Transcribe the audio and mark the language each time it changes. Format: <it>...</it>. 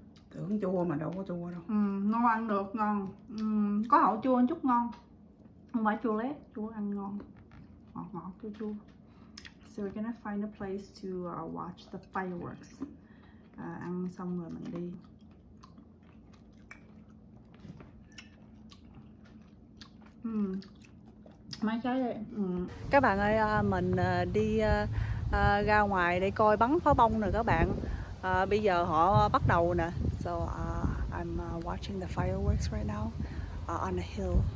<vi>tưởng chua mà đâu có chua đâu. Ngon, ăn được, ngon. Có hậu chua một chút ngon. Không phải chua lét, chua ăn ngon. Ngọt ngọt, chua chua.</vi> <en>So we're gonna find a place to watch the fireworks.</en> <vi>Ăn xong rồi mình đi. Mấy trái đây. Các bạn ơi, mình đi ra ngoài để coi bắn pháo bông nè các bạn. Bây giờ họ bắt đầu nè.</vi> <en>So I'm watching the fireworks right now on a hill.</en>